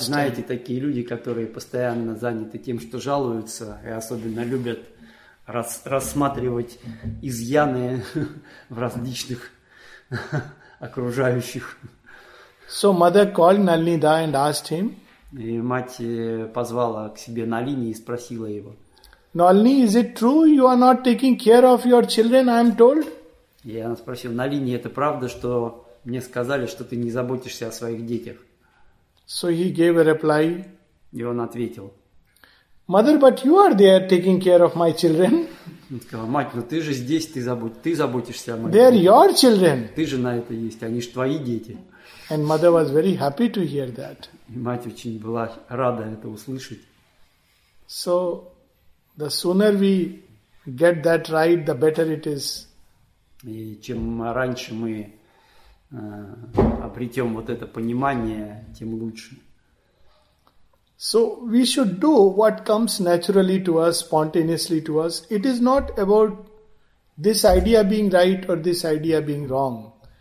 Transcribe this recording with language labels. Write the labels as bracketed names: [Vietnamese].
[Russian] Знаете, такие люди, которые постоянно заняты тем, что жалуются, и особенно любят рассматривать изъяны в различных окружающих. [English] So mother called Nalinda and asked him. [Russian] И мать позвала к себе Налини и спросила его. [English] Nalini, is it true you are not taking care of your children, I am told? [Russian] Я спросил, Nalini, это правда, что мне сказали, что ты не заботишься о своих детях? [English] So he gave a reply. [Russian] И он ответил. [English] Mother, but you are there taking care of my children. [Russian] Он сказал, мать, ну ты же здесь, ты заботишься о моих детях. [English] They are your children. [Russian] Ты же на это есть, они же твои дети. [English] And mother was very happy to hear that. [Russian] И мать очень была рада это услышать. [English] So... The sooner we get that right, the better it is. [Russian] И чем раньше мы обретем вот это понимание, тем лучше. [English] So we should do what comes naturally to us, spontaneously to us. It is not about this idea being right or this idea being wrong.